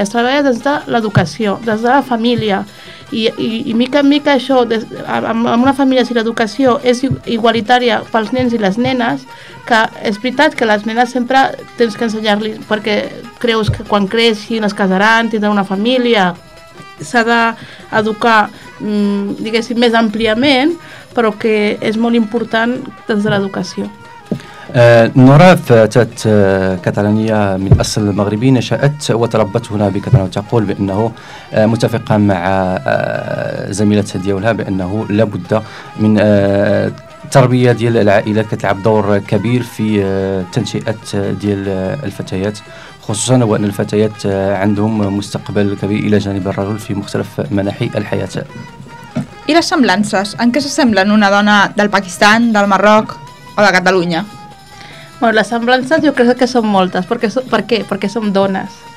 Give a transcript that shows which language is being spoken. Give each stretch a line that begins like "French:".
Catalan: Es treballa des de l'educació, des de la família, i mica en mica això, amb una família, si l'educació és igualitària pels nens i les nenes, que és veritat que les nenes sempre tens que ensenyar-li, perquè creus que quan creixin es casaran, tindran una família, s'ha d'educar diguéssim més àmpliament, però que és molt important des de l'educació.
Arabic: نورا فتاة كاتالونية من أصل مغربي، نشأت وتربت هنا بكاتالونيا، وتقول بأنه متفقة مع زميلتها ديالها بأنه لابد من تربية ديال العائلة كتلعب دور كبير في تنشئة ديال الفتيات، خصوصا وأن الفتيات عندهم مستقبل كبير إلى جانب الرجل في مختلف مناحي الحياة.
Catalan: I les semblances? En què s'assemblen una dona del Pakistan, del Marroc o de Catalunya? Bueno, les semblances jo crec que són moltes. Per què? Perquè som dones.